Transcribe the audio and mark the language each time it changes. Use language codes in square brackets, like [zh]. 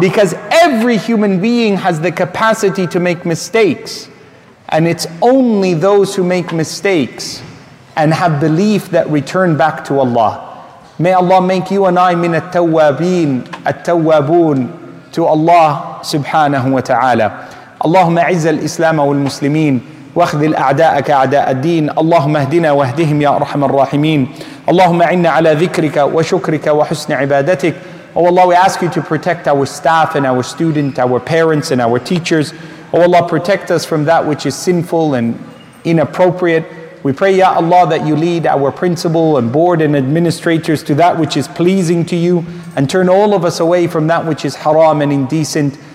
[en] Because every human being has the capacity to make mistakes. And it's only those who make mistakes and have belief that return back to Allah. May Allah make you and I [ar] من التوابين التوابون [en] to Allah subhanahu wa ta'ala. [ar] اللهم عز الإسلام والمسلمين واخذل أعداءك أعداء الدين. اللهم اهدنا واهدهم يا أرحم الراحمين. اللهم عنا على ذكرك وشكرك وحسن عبادتك. [en] Oh Allah, we ask you to protect our staff and our student, our parents and our teachers. Oh Allah, protect us from that which is sinful and inappropriate. We pray, Ya Allah, that you lead our principal and board and administrators to that which is pleasing to you, and turn all of us away from that which is haram and indecent.